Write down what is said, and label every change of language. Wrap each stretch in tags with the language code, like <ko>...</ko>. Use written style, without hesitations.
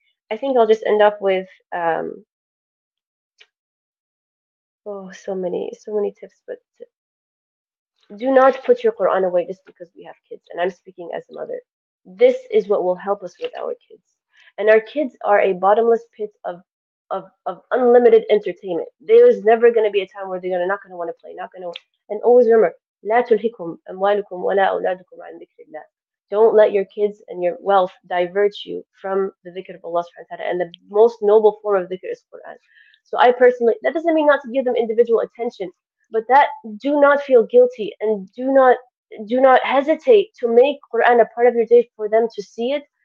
<en>I think I'll just end up with so many tips, but do not put your Quran away just because we have kids. And I'm speaking as a mother. This is what will help us with our kids. And our kids are a bottomless pit of unlimited entertainment. There is never going to be a time where they're not going to want to play, not going to. And always remember,</en> <ar>لا تلهكم أموالكم ولا أولادكم عن ذكر الله.</ar> <en>Don't let your kids and your wealth divert you from the dhikr of Allah subhanahu wa ta'ala. And the most noble form of dhikr is Quran. So I personally, that doesn't mean not to give them individual attention, but that do not feel guilty and do not hesitate to make Quran a part of your day for them to see it.</en>